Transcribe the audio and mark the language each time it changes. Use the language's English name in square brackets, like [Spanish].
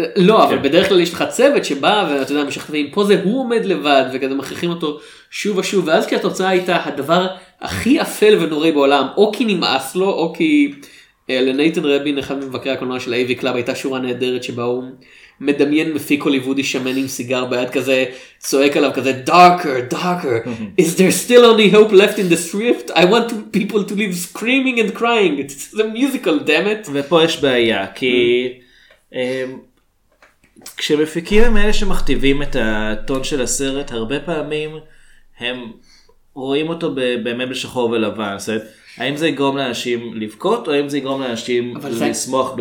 [Hebrew] לא, אבל בדרך כלל יש לך צוות שבא, ואתה יודע, משכנעים, פה זה הוא עומד לבד, וכזה מכריחים אותו שוב ושוב, ואז כי התוצאה הייתה הדבר הכי אפל ונורא בעולם, או כי נמאס לו, או כי לנייתן רבין, אחד מבקרי הקולנוע של ה-AV Club, הייתה שורה נהדרת שבה הוא מדמיין מפיק הוליוודי שמן עם סיגר ביד כזה, צועק עליו כזה, [English] darker, darker, is there still any hope left in the script? I want people to live screaming and crying. It's a musical, damn it. [Hebrew] ופה יש בעיה, כי כשמפיקים הם אלה שמכתיבים את הטון של הסרט, הרבה פעמים הם רואים אותו באמת בשחור ולבן, זאת אומרת, האם זה יגרום לאנשים לבכות, או האם זה יגרום לאנשים לסמוך ב...